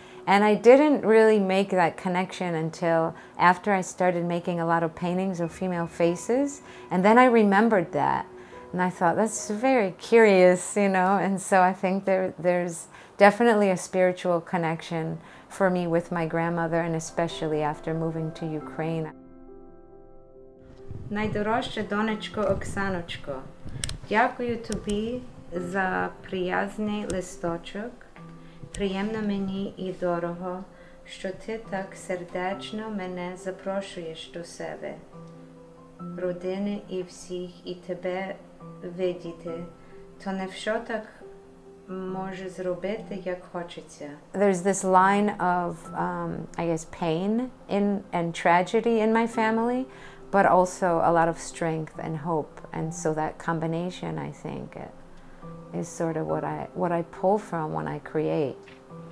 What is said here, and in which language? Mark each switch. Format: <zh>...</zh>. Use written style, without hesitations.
<en>And I didn't really make that connection until after I started making a lot of paintings of female faces, and then I remembered that. And I thought, that's very curious, you know? And so I think there's definitely a spiritual connection for me with my grandmother, and especially after moving to Ukraine.</en> <uk>Найдорожче донечко Оксаночко, дякую тобі за приязний листочок. Приємно мені і дорого, що ти так сердечно мене запрошуєш до себе, родини і всіх, і тебе видіти, то не все так може зробити, як хочеться.</uk> <en>There's this line of, I guess, pain and tragedy in my family, but also a lot of strength and hope. And so that combination, I think, is sort of what I pull from when I create.</en>